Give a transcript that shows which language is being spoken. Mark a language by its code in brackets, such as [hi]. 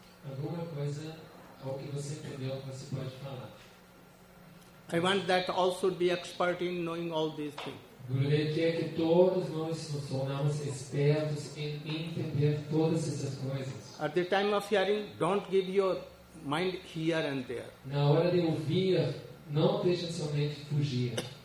[pt] Alguma coisa ao que você entendeu, você pode falar. [en] I want that all should be expert in knowing all these things. [pt] Gurudev quer que todos nós nos tornamos expertos em entender todas essas coisas. [en] At the time of hearing, don't give your mind here and there. [pt] Na hora de ouvir, não deixe sua mente fugir.